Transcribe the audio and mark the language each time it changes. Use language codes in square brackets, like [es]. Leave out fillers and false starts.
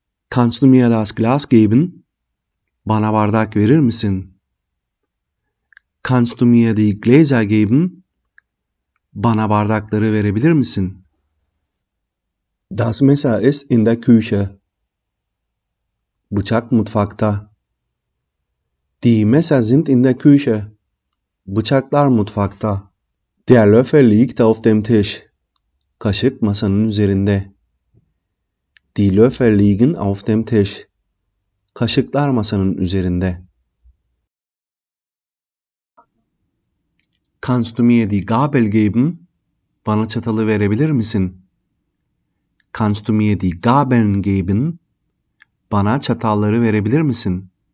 [de] Kannst du mir das Glas geben? [tr] Bana bardak verir misin? [de] Kannst du mir die Gläser geben? [tr] Bana bardakları verebilir misin? [de] Das Messer ist in der Küche. [tr] Bıçak mutfakta. [de] Die Messer sind in der Küche. [tr] Bıçaklar mutfakta. [de] Der Löffel liegt auf dem Tisch. [tr] Kaşık masanın üzerinde. [de] Die Löffel liegen auf dem Tisch. [tr] Kaşıklar masanın üzerinde. [de] Kannst du mir die Gabel geben? [tr] Bana çatalı verebilir misin? [de] Kannst du mir die Gabeln geben? [tr] Bana çatalları verebilir misin?